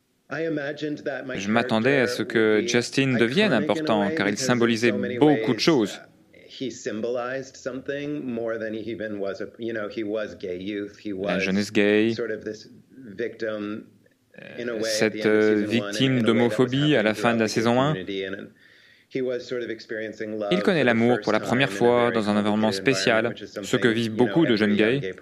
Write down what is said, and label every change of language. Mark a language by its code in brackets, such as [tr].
[fr] Je m'attendais à ce que Justin devienne important, car il symbolisait beaucoup de choses. [en] He symbolized something more than he even was a, you know, he was gay youth, he was [fr] jeunesse gay, [en] sort of this victim in a way, [fr] cette victime d'homophobie à la fin de la saison 1. Il connaît l'amour pour la première fois dans un environnement spécial, ce que vivent beaucoup de jeunes gays.